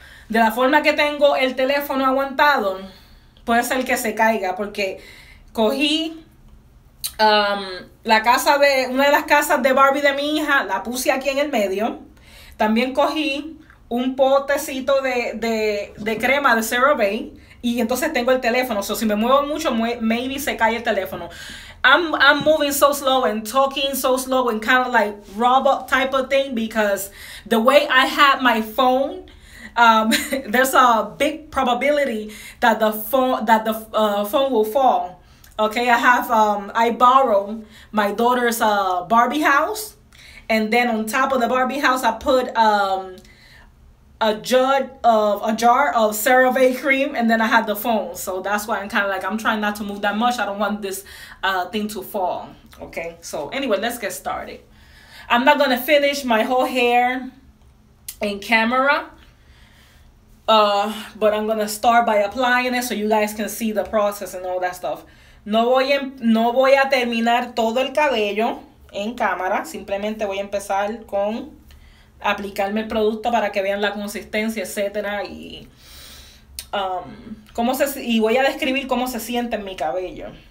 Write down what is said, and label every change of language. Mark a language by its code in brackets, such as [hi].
[es] De la forma que tengo el teléfono aguantado, puede ser que se caiga, porque cogí la casa de una de las casas de Barbie de mi hija, la puse aquí en el medio. También cogí un potecito de crema de CeraVe. Y entonces tengo el teléfono. So, si me muevo mucho, maybe se cae el teléfono. [en] I'm moving so slow and talking so slow and kind of like robot type of thing, because the way I have my phone, there's a big probability that the phone will fall. Okay, I borrow my daughter's Barbie house, and then on top of the Barbie house, I put a jar of CeraVe cream, and then I had the phone. So that's why I'm kind of like, I'm trying not to move that much. I don't want this thing to fall. Okay, so anyway, let's get started. I'm not gonna finish my whole hair in camera, but I'm gonna start by applying it so you guys can see the process and all that stuff. [es] No voy a terminar todo el cabello en cámara. Simplemente voy a empezar con aplicarme el producto para que vean la consistencia, etcétera, y voy a describir cómo se siente en mi cabello.